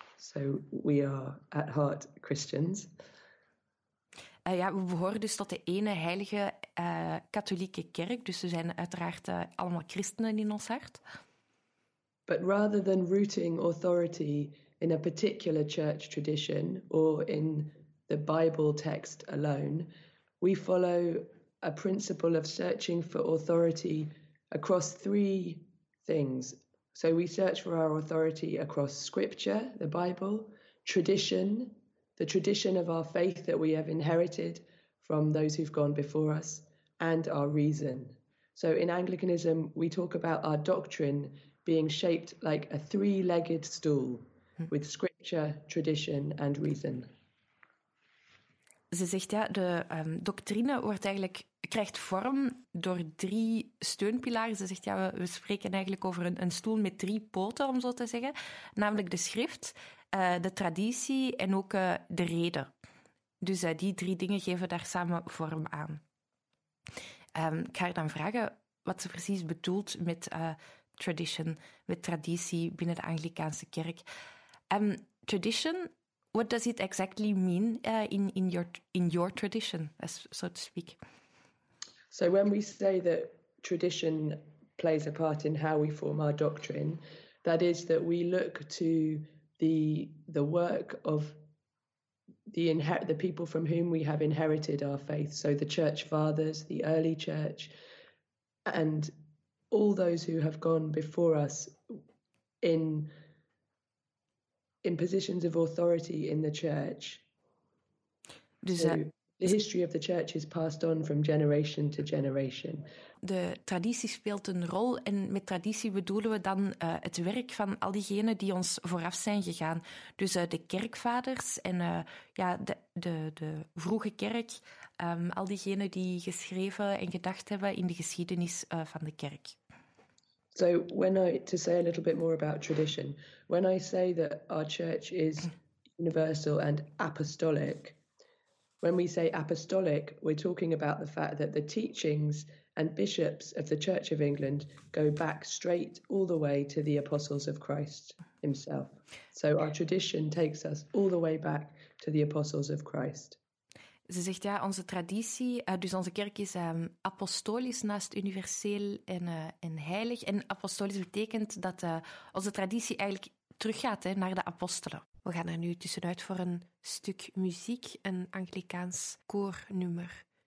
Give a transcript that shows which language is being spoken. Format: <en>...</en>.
<en>So we are at heart Christians.</en> <nl>We behoren dus tot de ene heilige katholieke kerk. Dus we zijn uiteraard allemaal christenen in ons hart.</nl> <en>But rather than rooting authority in a particular church tradition or in the Bible text alone, we follow a principle of searching for authority across three things. So we search for our authority across scripture, the Bible, tradition, the tradition of our faith that we have inherited from those who've gone before us, and our reason. So in Anglicanism, we talk about our doctrine being shaped like a three-legged stool with scripture, tradition, and reason.</en> <nl>Ze zegt ja, de doctrine wordt eigenlijk, krijgt vorm door drie steunpilaren. Ze zegt ja, we spreken eigenlijk over een stoel met drie poten, om zo te zeggen. Namelijk de schrift, de traditie en ook de reden. Dus die drie dingen geven daar samen vorm aan. Ik ga haar dan vragen wat ze precies bedoelt met tradition, met traditie binnen de Anglicaanse kerk.</nl> <en>Tradition. What does it exactly mean in your tradition, so to speak? So when we say that tradition plays a part in how we form our doctrine, that is that we look to the work of the people from whom we have inherited our faith. So the church fathers, the early church, and all those who have gone before us in positions of authority in the church.</en> <nl>Dus,</nl> <en>the history of the church is passed on from generation to generation.</en> <nl>De traditie speelt een rol en met traditie bedoelen we dan het werk van al diegenen die ons vooraf zijn gegaan. Dus de kerkvaders en de vroege kerk, al diegenen die geschreven en gedacht hebben in de geschiedenis van de kerk.</nl> <en>So when I to say a little bit more about tradition, when I say that our church is universal and apostolic, when we say apostolic, we're talking about the fact that the teachings and bishops of the Church of England go back straight all the way to the apostles of Christ himself. So our tradition takes us all the way back to the apostles of Christ.</en> <nl>Ze zegt ja, onze traditie, dus onze kerk is apostolisch naast universeel en heilig. En apostolisch betekent dat onze traditie eigenlijk teruggaat naar de apostelen. We gaan er nu tussenuit voor een stuk muziek, een Anglicaans koornummer.</nl>